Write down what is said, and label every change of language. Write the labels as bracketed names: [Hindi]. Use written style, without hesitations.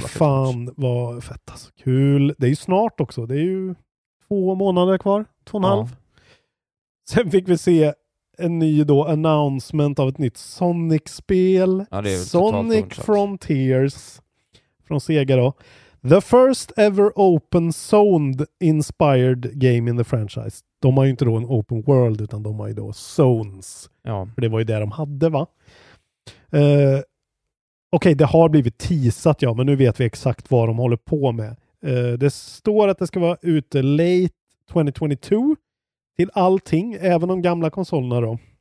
[Swedish] fan, vad fett. Alltså, kul. Det är ju snart också. Det är ju 2 månader kvar. 2,5. Ja. Sen fick vi se en ny då announcement av ett nytt Sonic-spel. Ja, det är Sonic Frontiers från Sega då. [English] The first ever open zoned inspired game in the franchise. [Swedish] De har ju inte då en open world, utan de har ju då zones. Ja. För det var ju det de hade, va? Okej, det har blivit teasat, ja, men nu vet vi exakt vad de håller på med. Det står att det ska vara ute [English] late 2022 [Swedish] till allting, även de gamla konsolerna då.